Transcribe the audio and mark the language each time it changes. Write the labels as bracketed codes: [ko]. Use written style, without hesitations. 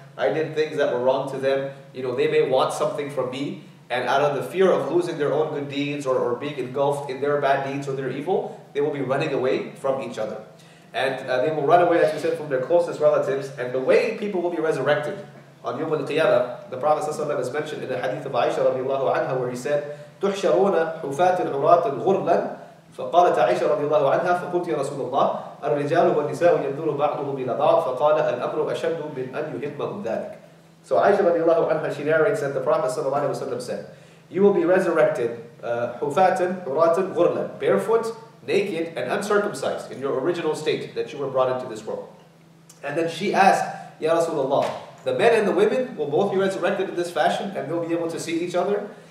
[en] I did things that were wrong to them. You know, they may want something from me, and out of the fear of losing their own good deeds or being engulfed in their bad deeds or their evil, they will be running away from each other. And they will run away, as you said, from their closest relatives. And the way people will be resurrected on Yawm al-Qiyamah, the Prophet ﷺ has mentioned in the hadith of Aisha radiallahu anha, where he said, [ar] تُحْشَرُونَ حُفَاتٍ عُرَاتٍ غُرْلًا فقالت عائشة رضي الله عنها فقلت يا رسول الله الرجال والنساء يدور بعضهم إلى بعض فقال الأمر أشد من أن يهمهم ذلك. [en] So Aisha رضي الله عنها, she narrates that the Prophet صلى الله عليه وسلم said, you will be resurrected [ar] حفاتاً حراتاً غرلاً, [en] barefoot, naked and uncircumcised in your original state that you were brought into this world. And then she asked, [ar] يا رسول الله, [en] the men and the women will both be resurrected in this fashion and they'll be able to see each other?